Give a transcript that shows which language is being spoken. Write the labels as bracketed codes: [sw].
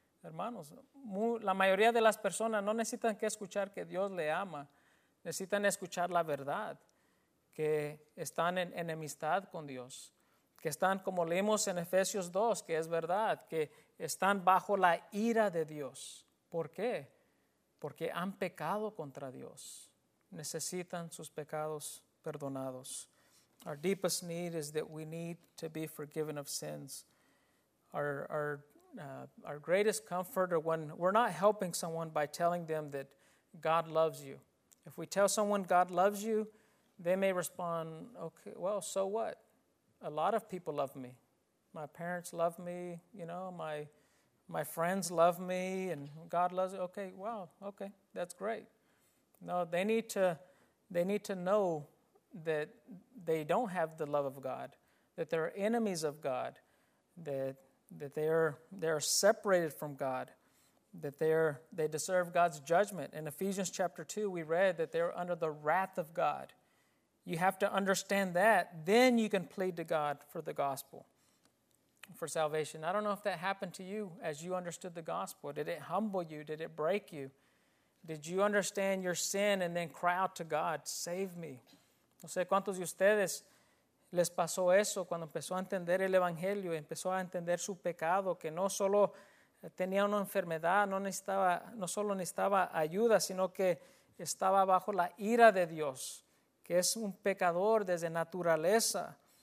[es] Hermanos, la mayoría de las personas no necesitan que escuchar que Dios le ama, necesitan escuchar la verdad, que están en enemistad con Dios, que están, como leemos en Efesios 2, que es verdad, que están bajo la ira de Dios. ¿Por qué? Porque han pecado contra Dios, necesitan sus pecados perdonados. [en] Our deepest need is that we need to be forgiven of sins. Our greatest comfort are when we're not helping someone by telling them that God loves you. If we tell someone God loves you, they may respond, okay, well, so what? A lot of people love me. My parents love me, you know, my friends love me, and God loves me. Okay, wow, okay, that's great. No, they need to know that they don't have the love of God, that they're enemies of God, that they are separated from God, that they deserve God's judgment. In Ephesians chapter 2, we read that they're under the wrath of God. You have to understand that. Then you can plead to God for the gospel, for salvation. I don't know if that happened to you as you understood the gospel. Did it humble you? Did it break you? Did you understand your sin and then cry out to God, save me? [es] No sé cuántos de ustedes les pasó eso cuando empezó a entender el Evangelio, empezó a entender su pecado, que no solo tenía una enfermedad, no solo necesitaba ayuda, sino que estaba bajo la ira de Dios, que es un pecador desde naturaleza.